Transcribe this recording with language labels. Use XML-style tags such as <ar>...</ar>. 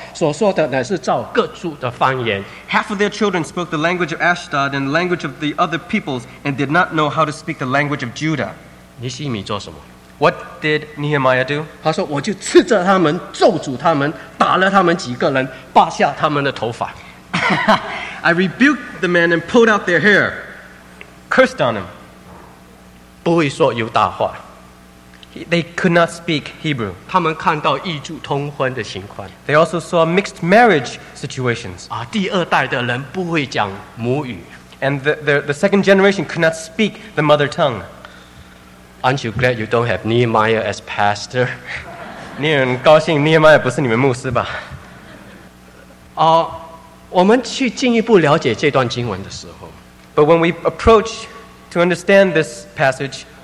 <zh>他们的儿女说话一半是雅士兔的话，不会说犹太话，所说的乃是照各族的方言。</zh> <en>Half of their children spoke the language of Ashdod and the language of the other peoples, and did not know how to speak the language of Judah.</en> <zh>尼西米做什么？</zh> <en>What did Nehemiah do?</en> <zh>他说我就斥责他们，咒诅他们，打了他们几个人，拔下他们的头发。</zh> <en>I rebuked the men and pulled out their hair, cursed on them.</en> <zh>不会说犹大话。</zh> <en>They could not speak Hebrew.</en> <zh>他们看到异族通婚的情况。</zh> <en>They also saw mixed marriage situations.</en> <zh>第二代的人不会讲母语。</zh> <en>And the second generation could not speak the mother tongue. Aren't you glad you don't have Nehemiah as pastor?</en> <zh>你很高兴Nehemiah不是你们牧师吧？我们去进一步了解这段经文的时候，</zh> <en>But when we approach to understand this passage,</en>